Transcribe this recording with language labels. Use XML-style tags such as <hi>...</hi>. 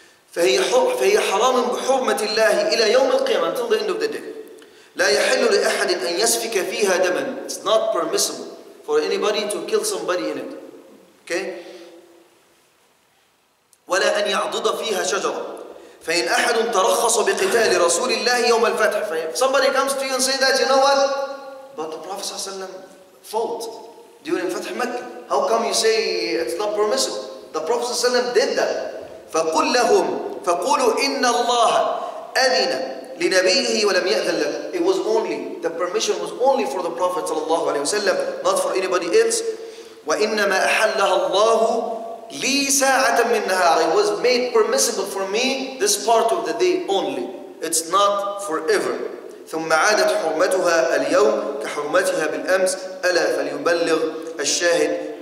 <ar>فهي حرام بحرمة الله إلى يوم القيامة,</ar> <en>until the end of the day.</en> <ar>لا يحل لأحد أن يسفك فيها دما.</ar> <en>It's not permissible for anybody to kill somebody in it. Okay?</en> <ar>ولا أن يعضد فيها شجرة. فإن أحد ترخص بقتال رسول الله يوم الفتح.</ar> <en>Somebody comes to you and say that, you know what? But the Prophet صلى الله عليه وسلم fought during فتح مكة. How come you say it's not permissible? The Prophet صلى الله عليه وسلم did that.</en> <ar>فقل لهم فقولوا إن الله أذن لنبيه ولم يأذن له.</ar> <en>It was only, the permission was only for the Prophet صلى الله عليه وسلم, not for anybody else.</en> <ar>وإنما أحلها الله لي ساعة من النهار.</ar> <en>It was made permissible for me this part of the day only. It's not forever.</en> <ar>ثم عادت حرمتها اليوم كحرمتها بالأمس ألا فليبلغ الشاهد</ar>